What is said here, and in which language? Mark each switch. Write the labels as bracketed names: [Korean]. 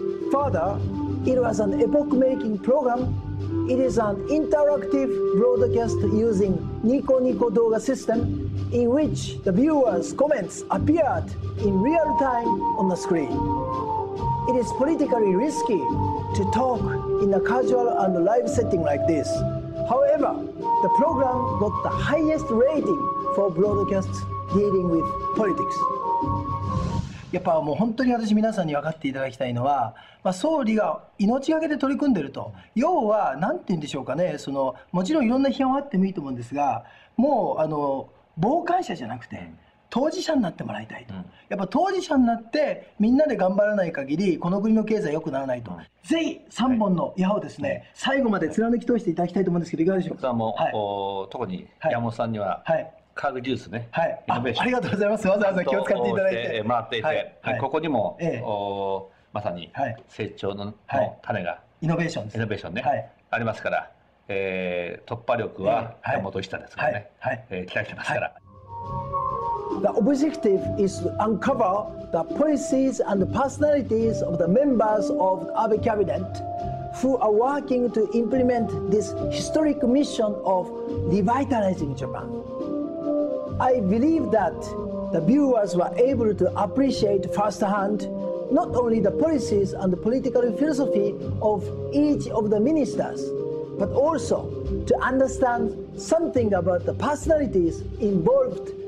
[English] Further, it was an epoch-making program. It is an interactive broadcast using Nico Nico Douga system, in which the viewers' comments appeared in real time on the screen. It is politically risky to talk in a casual and live setting like this. However, the program got the highest rating for broadcasts dealing with politics. [Japanese] やっぱもう本当に私皆さんに分かっていただきたいのは、まあ、総理が命がけで取り組んでると、要は何て言うんでしょうかね、そのもちろんいろんな批判はあってもいいと思うんですが、もうあの傍観者じゃなくて当事者になってもらいたいと、やっぱ当事者になってみんなで頑張らない限りこの国の経済良くならないと、ぜひ3本の矢をですね、最後まで貫き通していただきたいと思うんですけど、いかがでしょうか。もはい、特に山本さんには、はい、科学技術ね、はい、イノベーション、ありがとうございます、わざわざ気を使っていただいて回っていて、はいはい、ここにも、まさに成長 の、はい、の種が、はい、イノベーションです、イノベーションね、はい、ありますから、突破力は山本一太ですからね、はいはい、期待してますから、はい。 [English] The objective is to uncover the policies and the personalities of the members of the Abe cabinet who are working to implement this historic mission of revitalizing Japan. I believe that the viewers were able to appreciate firsthand not only the policies and the political philosophy of each of the ministers, but also to understand something about the personalities involved.